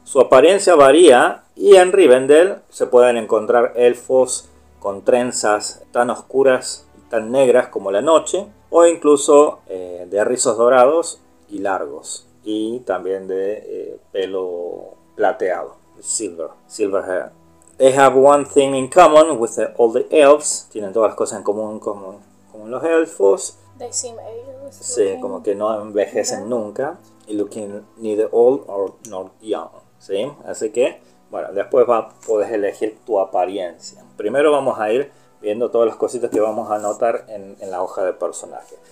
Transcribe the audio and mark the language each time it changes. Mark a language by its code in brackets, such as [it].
[es] Su apariencia varía y en Rivendell se pueden encontrar elfos con trenzas tan oscuras y tan negras como la noche, o incluso de rizos dorados y largos, y también de pelo plateado, [en] silver hair. They have one thing in common with all the elves. [es] Tienen todas las cosas en común con los elfos. [en] They seem ageless. [es] Sí, como que no envejecen nunca. Y [en] looking neither old or not young. [es] ¿Sí? Así que, bueno, después puedes elegir tu apariencia. Primero vamos a ir viendo todas las cositas que vamos a anotar en la hoja de personaje.